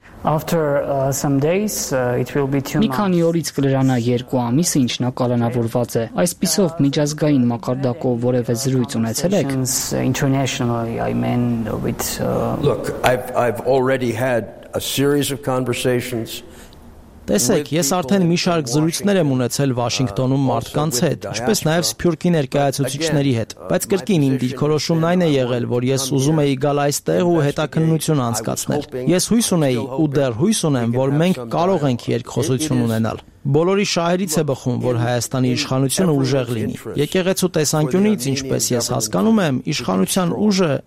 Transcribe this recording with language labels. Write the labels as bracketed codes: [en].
[en] After some days it will be 2 months. [hy] Մի քանի օրից կլրանա 2 ամիս, ինչ նա կալանավորված է։ Այսպիսով միջազգային մակարդակով որևէ զրույց ունեցել եք? [en] Internationally, I mean, with Look, I've already had a series of conversations [hy] Տեսեք, ես արդեն մի շարք զրույցներ եմ ունեցել Վաշինգտոնում մարդկանց հետ, ինչպես նաև Սփյուռքի ներկայացուցիչների հետ, բայց կրկին իմ դիրքորոշումն այն է եղել, որ ես ուզում էի գալ այստեղ ու հետաքննություն անցկացնել։ Ես հույս ունեի ու դեռ հույս ունեմ, որ մենք կարող ենք երկխոսություն ունենալ։ Բոլորի շահերից է բխում, որ Հայաստանի իշխանությունը ուժեղ լինի։ Եկեղեցու տեսանկյունից, ինչպես ես հասկանում եմ, իշխանության ուժը,